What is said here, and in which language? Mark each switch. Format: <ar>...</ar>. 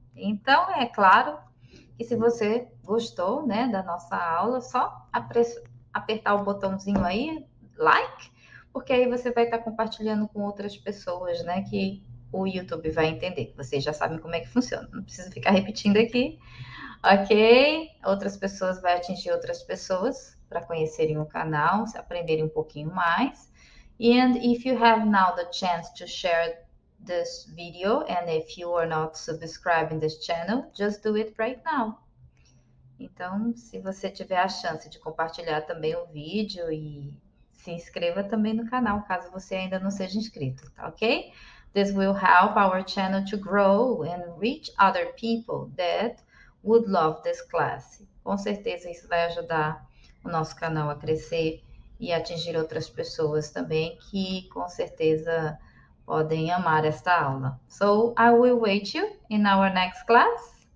<pt>Então, é claro que se você gostou, né, da nossa aula, só apertar o botãozinho aí, like, porque aí você vai estar compartilhando com outras pessoas, né, que o YouTube vai entender, que vocês já sabem como é que funciona. Não precisa ficar repetindo aqui, ok? Outras pessoas, vai atingir outras pessoas para conhecerem o canal, se aprenderem um pouquinho mais.</pt> <en>And if you have now the chance to share this video, and if you are not subscribing this channel, just do it right now.</en> <pt>Então, se você tiver a chance de compartilhar também o vídeo e se inscreva também no canal, caso você ainda não seja inscrito, tá ok?</pt> <en>This will help our channel to grow and reach other people that would love this class.</en> <pt>Com certeza isso vai ajudar o nosso canal a crescer e atingir outras pessoas também que com certeza podem amar esta aula.</pt> <en>So, I will wait you in our next class.</en>